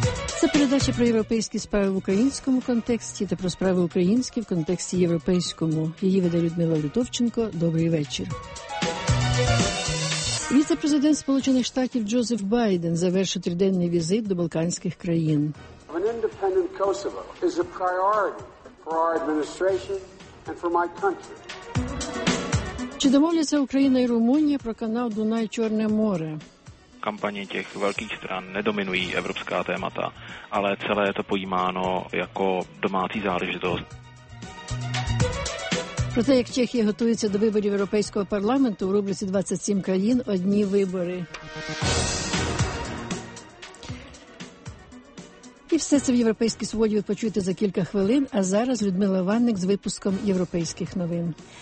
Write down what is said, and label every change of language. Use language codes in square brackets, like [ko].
[uk] Це передача про європейські справи в українському контексті та про справи українські в контексті європейському. Її веде Людмила Лютовченко. Добрий вечір. Віце-президент Сполучених Штатів Джозеф Байден завершить триденний візит до балканських країн. [en] An independent Kosovo is a priority for our administration and for my country. [uk] Чи домовляться Україна і Румунія про канал Дунай-Чорне море? [cs] Kampaně těch velkých stran nedominují evropská témata, ale celé je to pojímáno jako domácí záležitost. [uk] Проте, як Чехія готується до виборів Європейського парламенту у рубриці «27 країн. Одні вибори». І все це в європейській свободі ви почуєте за кілька хвилин, а зараз Людмила Ванник з випуском європейських новин.